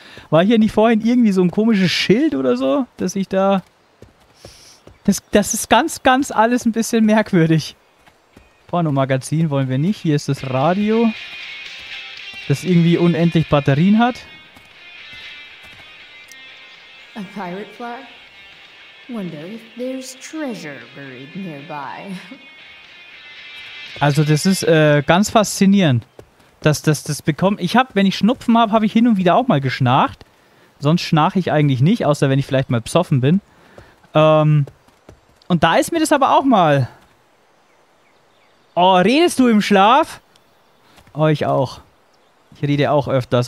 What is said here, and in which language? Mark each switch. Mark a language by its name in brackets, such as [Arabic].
[German] War hier nicht vorhin irgendwie so ein komisches Schild oder so, dass ich da... Das ist ganz, ganz alles ein bisschen merkwürdig. Pornomagazin wollen wir nicht. Hier ist das Radio, das irgendwie unendlich Batterien hat. [English] A pirate flag? Wonder if there's treasure buried nearby. [German] Also das ist ganz faszinierend, dass das bekommt. Ich habe, wenn ich Schnupfen habe, habe ich hin und wieder auch mal geschnarcht. Sonst schnarche ich eigentlich nicht, außer wenn ich vielleicht mal psoffen bin. Und da ist mir das aber auch mal. Oh, redest du im Schlaf? Oh, ich auch. Ich rede auch öfters.